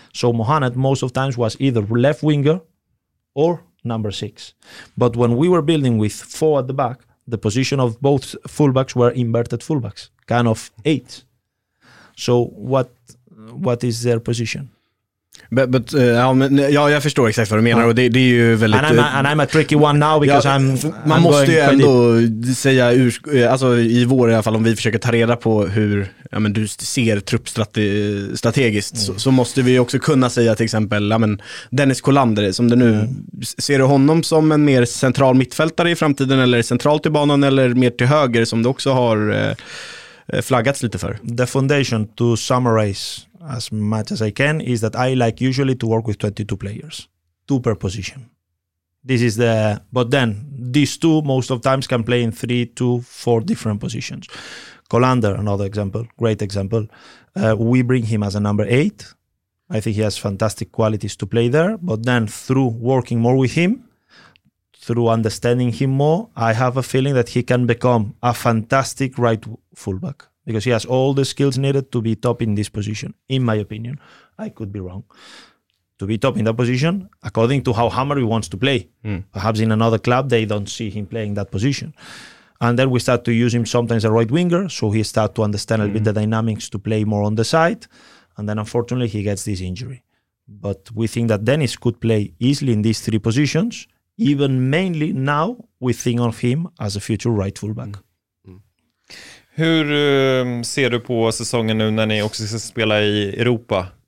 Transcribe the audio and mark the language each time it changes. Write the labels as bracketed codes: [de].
[en] So Mohamed most of times was either left winger or number six. But when we were building with four at the back, the position of both fullbacks were inverted fullbacks, kind of eight. So what is their position? [sv] But jag förstår exakt vad du menar, och det är ju väldigt, [en] and I'm a tricky one now because ja, [sv] man måste ju ändå säga alltså i vår i alla fall, om vi försöker ta reda på hur men du ser truppstrategiskt, så måste vi också kunna säga till exempel Dennis Kolander, som det nu ser du honom som en mer central mittfältare i framtiden, eller centralt i banan, eller mer till höger, som du också har flaggats lite för. [en] The foundation, to summarize as much as I can, is that I like usually to work with 22 players, two per position. This is the, but then these two most of times can play in three to four different positions. Kolander, another example, great example. We bring him as a number eight. I think he has fantastic qualities to play there, but then through working more with him, through understanding him more, I have a feeling that he can become a fantastic right fullback because he has all the skills needed to be top in this position, in my opinion. I could be wrong. To be top in that position, according to how Hammer wants to play. Mm. Perhaps in another club, they don't see him playing that position. And then we start to use him sometimes a right winger, so he starts to understand a little bit the dynamics to play more on the side. And then unfortunately, he gets this injury. But we think that Dennis could play easily in these three positions. Even mainly now, we think of him as a future right fullback. Mm. [sv] Hur ser du på säsongen nu när ni också ska spela i Europa?